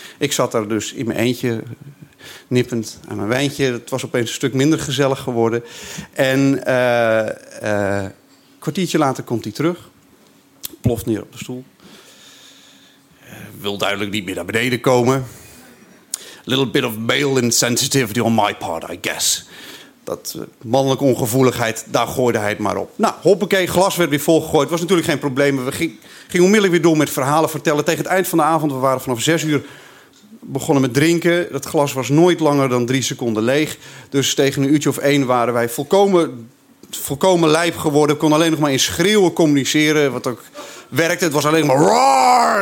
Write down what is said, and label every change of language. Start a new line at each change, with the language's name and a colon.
Dutch: Ik zat daar dus in mijn eentje, nippend aan mijn wijntje. Het was opeens een stuk minder gezellig geworden. En een kwartiertje later komt hij terug. Ploft neer op de stoel. Wil duidelijk niet meer naar beneden komen.
English: A little bit of male insensitivity on my part, I guess.
Dutch: Dat mannelijke ongevoeligheid, daar gooide hij het maar op. Nou, hoppakee, glas werd weer volgegooid. Het was natuurlijk geen probleem. We gingen onmiddellijk weer door met verhalen vertellen. Tegen het eind van de avond, we waren vanaf 6 uur begonnen met drinken. Dat glas was nooit langer dan 3 seconden leeg. Dus tegen een uurtje of 1 waren wij volkomen lijp geworden. We konden alleen nog maar in schreeuwen communiceren, wat ook werkte. Het was alleen maar roar.